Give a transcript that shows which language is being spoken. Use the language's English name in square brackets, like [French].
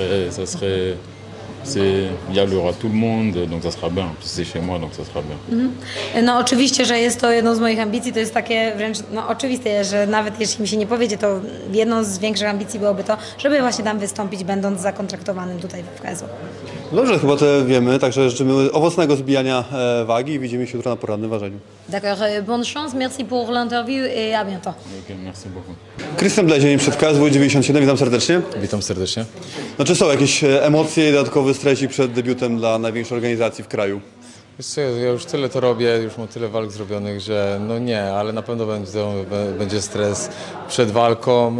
[French] Ça serait, il y aura tout le monde, donc ça sera bien. Puis c'est chez moi, donc ça sera bien. Mm-hmm. [Polish] No, oczywiście, że jest to jedną z moich ambicji. To jest takie wręcz no, oczywiste, że nawet jeśli mi się nie powiedzie, to jedną z większych ambicji byłoby to, żeby właśnie tam wystąpić, będąc zakontraktowanym tutaj w KSW. Dobrze, chyba to wiemy. Także życzymy owocnego zbijania wagi i widzimy się jutro na porannym ważeniu. [French] D'accord, bonne chance, merci pour l'interview et à bientôt. Ok, merci beaucoup. [Polish] Krystian Bledzień przed KSW 97, witam serdecznie. Witam serdecznie. No, czy są jakieś emocje i dodatkowy stres przed debiutem dla największej organizacji w kraju? Wiesz co, ja już tyle to robię, już mam tyle walk zrobionych, że no nie, ale na pewno będzie stres przed walką.